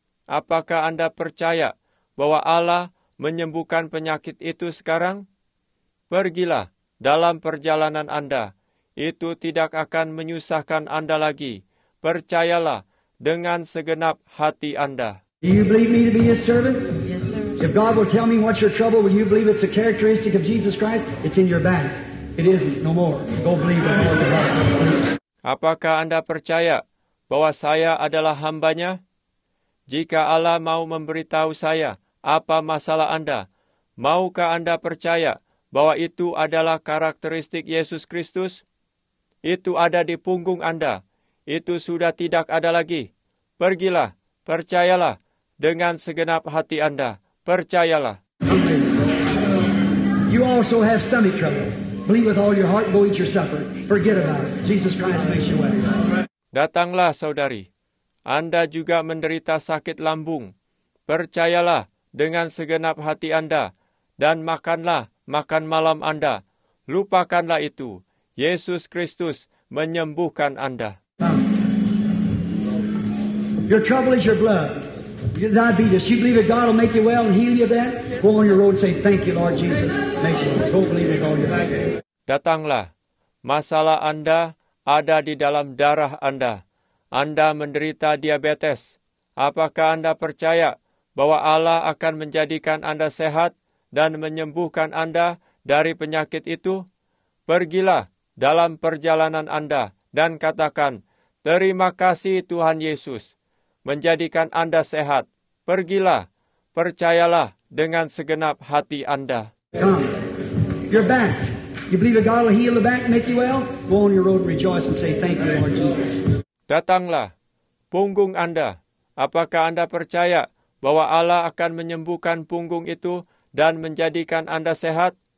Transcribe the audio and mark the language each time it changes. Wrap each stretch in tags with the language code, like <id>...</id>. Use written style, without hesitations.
<id>Apakah Anda percaya bahwa Allah menyembuhkan penyakit itu sekarang? Pergilah dalam perjalanan Anda. Itu tidak akan menyusahkan Anda lagi. Percayalah dengan segenap hati Anda.</id> <en>Do you believe me to be his servant? Yes, sir. If God will tell me what's your trouble, will you believe it's a characteristic of Jesus Christ? It's in your back. It isn't, no more. Go believe it.</en> <id>Apakah Anda percaya bahwa saya adalah hambanya? Jika Allah mau memberitahu saya apa masalah Anda, maukah Anda percaya bahwa itu adalah karakteristik Yesus Kristus? Itu ada di punggung Anda. Itu sudah tidak ada lagi. Pergilah, percayalah dengan segenap hati Anda. Percayalah.</id> <en>You also have stomach trouble. Believe with all your heart, go eat your supper. Forget about it. Jesus Christ makes you well.</en> <id>Datanglah, saudari. Anda juga menderita sakit lambung. Percayalah dengan segenap hati Anda dan makanlah makan malam Anda. Lupakanlah itu. Yesus Kristus menyembuhkan Anda.</id> <en>Your trouble is your blood. Your diabetes. You believe that God will make you well and heal you then? Go on your road and say, thank you, Lord Jesus. Make you well. Don't believe it all your life.</en> <id>Datanglah. Masalah Anda ada di dalam darah Anda. Anda menderita diabetes. Apakah Anda percaya bahwa Allah akan menjadikan Anda sehat dan menyembuhkan Anda dari penyakit itu? Pergilah dalam perjalanan Anda dan katakan, terima kasih Tuhan Yesus menjadikan Anda sehat. Pergilah, percayalah dengan segenap hati Anda.</id> <en>Come. You're back. You believe that God will heal the back and make you well? Go on your road and rejoice and say thank you, Lord Jesus.</en> <id>Datanglah, punggung Anda. Apakah Anda percaya bahwa Allah akan menyembuhkan punggung itu dan menjadikan Anda sehat?</id>